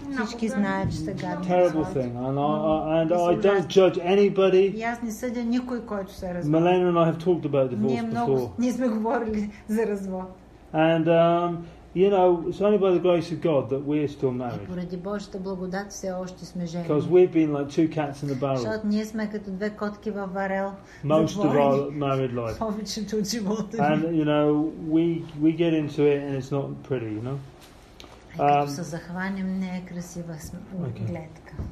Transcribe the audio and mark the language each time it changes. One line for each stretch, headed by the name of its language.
Bulgarian: всички знаем, че са гадни разводи.
English: Terrible thing. And I don't judge anybody.
Bulgarian: И аз не съдя никой, който се разводи.
English: Milena and I have talked about divorce before.
Bulgarian: Ние сме говорили за развод.
English: And you know, it's only by the grace of God that we're still married.
Bulgarian: Поради Божията благодат все още сме женени.
English: Because we've been like two cats in the barrel.
Bulgarian: Защото ние сме като две котки във варел.
English: Most of our married life.
Bulgarian: Повечето от живота.
English: And you know, we get into it and it's not pretty, you know.
Bulgarian: Като се захванем, не е красива гледка.